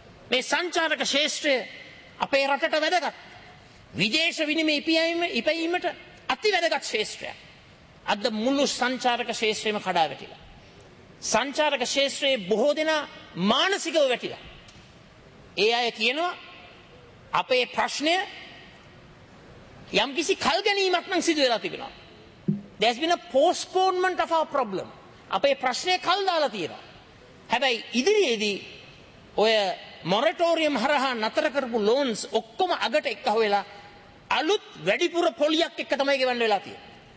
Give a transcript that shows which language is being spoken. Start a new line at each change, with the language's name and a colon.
Sinhala: මේ සංචාරක ශේෂ්ත්‍රය අපේ රටට වැදගත්. විදේශ විනිමය ඉපැයීමට අතිවැදගත් ශේෂ්ත්‍රයක්. අද මුළු සංචාරක ශේෂ්ත්‍රයම කඩා වැටිලා. සංචාරක ශේෂ්ත්‍රයේ බොහෝ දෙනා මානසිකව වැටිලා. ඒ අය කියනවා අපේ ප්‍රශ්නය යම් කිසි කල් ගැනීමක් නම් සිදු වෙලා තිබෙනවා.
English: There has been a postponement of our problem.
Sinhala: අපේ ප්‍රශ්නේ කල් දාලා තියෙනවා. හැබැයි ඉදිරියේදී ඔය මොරටෝරියම් හරහා නතර කරපු ලෝන්ස් ඔක්කොම අගට එක්කහ වෙලා අලුත් වැඩිපුර පොලියක් එක්ක තමයි ගෙවන්න වෙලා තියෙන්නේ.